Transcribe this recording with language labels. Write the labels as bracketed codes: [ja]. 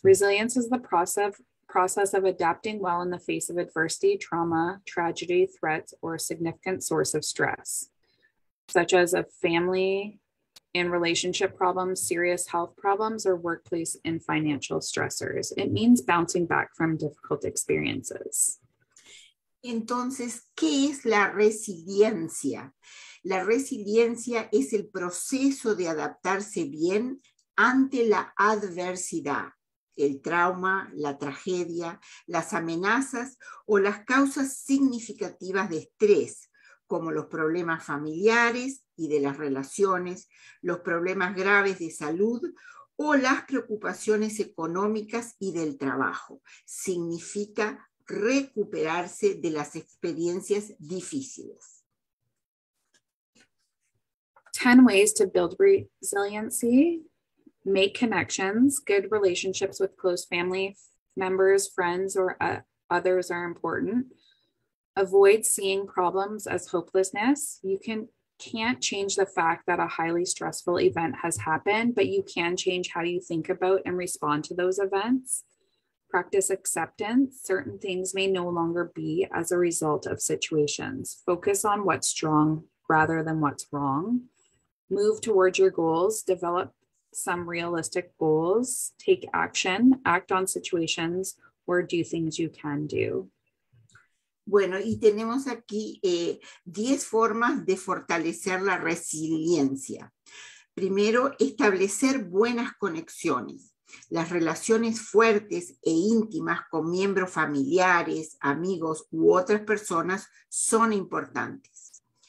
[en] Resilience is the process of adapting well in the face of adversity, trauma, tragedy, threats, or a significant source of stress, such as a family and relationship problems, serious health problems, or workplace and financial stressors. It means bouncing back from difficult experiences. [es] Entonces, ¿qué es la resiliencia? La resiliencia es el proceso de adaptarse bien ante la adversidad, el trauma, la tragedia, las amenazas o las causas significativas de estrés, como los problemas familiares y de las relaciones, los problemas graves de salud o las preocupaciones económicas y del trabajo. Significa recuperarse de las experiencias difíciles. [en] 10 ways to build resiliency. Make connections. Good relationships with close family members, friends, or others are important. Avoid seeing problems as hopelessness. You can't change the fact that a highly stressful event has happened, but you can change how you think about and respond to those events. Practice acceptance. Certain things may no longer be as a result of situations. Focus on what's strong rather than what's wrong. Move towards your goals. Develop some realistic goals, take action, act on situations, or do things you can do. [es] Bueno, y tenemos aquí 10 formas de fortalecer la resiliencia. Primero, establecer buenas conexiones. Las relaciones fuertes e íntimas con miembros familiares, amigos u otras personas son importantes.